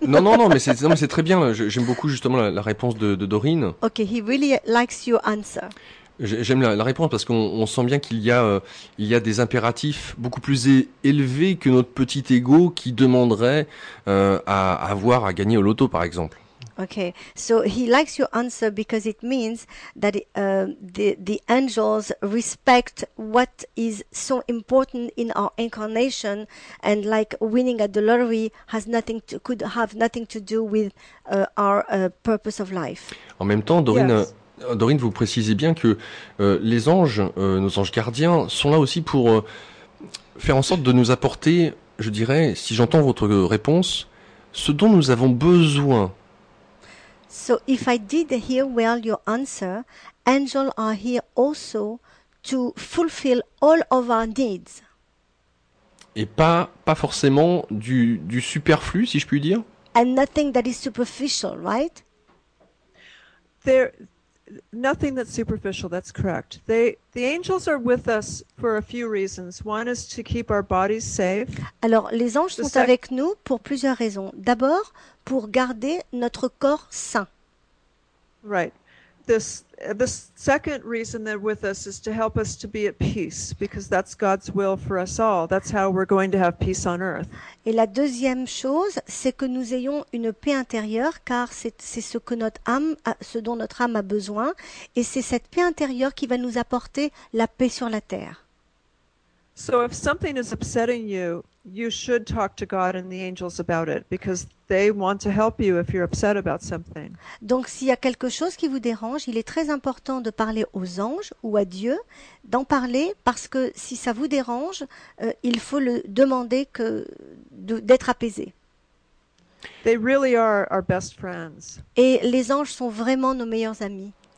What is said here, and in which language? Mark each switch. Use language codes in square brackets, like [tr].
[fr] Non, mais c'est très bien. J'aime beaucoup justement la réponse de Dorine. [en] Okay, he really likes your answer. [fr] J'aime la réponse parce qu'on sent bien qu'il y a des impératifs beaucoup plus élevés que notre petit ego qui demanderait à gagner au loto par exemple. [en] Okay, so he likes your answer because it means that the angels respect what is so important in our incarnation, and like winning at the lottery could have nothing to do with our purpose of life. [fr] En même temps, Dorine. [en] Yes. [fr] Dorine, vous précisez bien que les anges, nos anges gardiens, sont là aussi pour faire en sorte de nous apporter, je dirais, si j'entends votre réponse, ce dont nous avons besoin. [en] So, if I did hear well your answer, angels are here also to fulfill all of our needs. [fr] Et pas forcément du superflu, si je puis dire. [en] and nothing that is superficial, right? There, nothing that's superficial, that's correct. They, the angels are with us for a few reasons. One is to keep our bodies safe. [fr] Alors, les anges sont avec nous pour plusieurs raisons. D'abord, pour garder notre corps sain. [en] Right. The second reason they're with us is to help us to be at peace, because that's God's will for us all. That's how we're going to have peace on earth. [fr] Et la deuxième chose, c'est que nous ayons une paix intérieure, car c'est ce que notre âme, ce dont notre âme a besoin, et c'est cette paix intérieure qui va nous apporter la paix sur la terre. [en] So if something is upsetting you, you should talk to God and the angels about it, because they want to help you if you're upset about something. [fr] Donc s'il y a quelque chose qui vous dérange, il est très important de parler aux anges ou à Dieu, d'en parler, parce que si ça vous dérange, il faut le demander que d'être apaisé. [en] They really are our best friends. [fr] Et les anges sont vraiment nos meilleurs amis.